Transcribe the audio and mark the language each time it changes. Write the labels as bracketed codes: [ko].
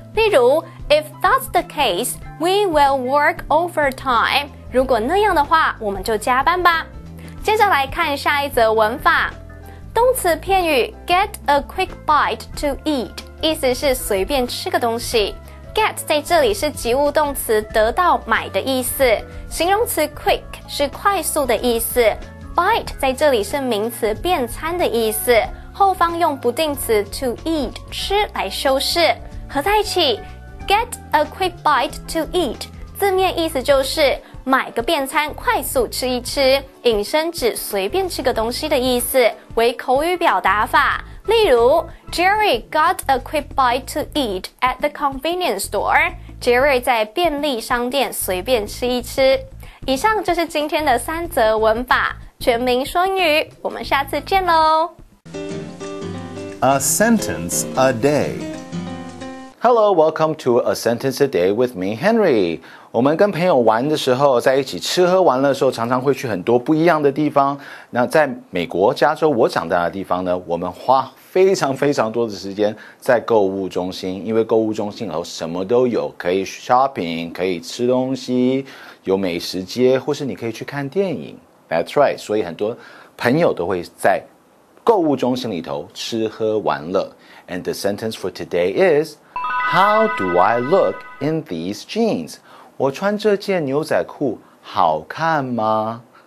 [zh] 例如 [en] ,If that's the case, we will work overtime. [zh] 如果那样的话我们就加班吧。接着来看下一则文法。动词片语 [en] get a quick bite to eat, [zh] 意思是随便吃个东西。 get 在这里是及物动词得到买的意思，形容词 quick 是快速的意思， bite 在这里是名词便餐的意思，后方用不定词 to eat 吃来修饰，合在一起 [en] get a quick bite to eat [zh] 字面意思就是买个便餐快速吃一吃，引申指随便吃个东西的意思，为口语表达法。例如 [en] ,Jerry got a quick bite to eat at the convenience store. [zh] 杰瑞在便利商店随便吃一吃。以上就是今天的三则文法，全民说英语，我们下次见咯。 [en] A sentence a day. Hello, welcome to A Sentence a Day with me, Henry. [zh] 我们跟朋友玩的时候，在一起吃喝玩乐的时候，常常会去很多不一样的地方。那在美国加州我长大的地方呢，我们花非常非常多的时间在购物中心，因为购物中心有什么都有，可以 shopping, 可以吃东西，有美食街，或是你可以去看电影。 [en] That's right, [zh] 所以很多朋友都会在购物中心里头吃喝玩乐。 [en] And the sentence for today is, How do I look in these jeans? [zh] 我穿这件牛仔裤好看吗?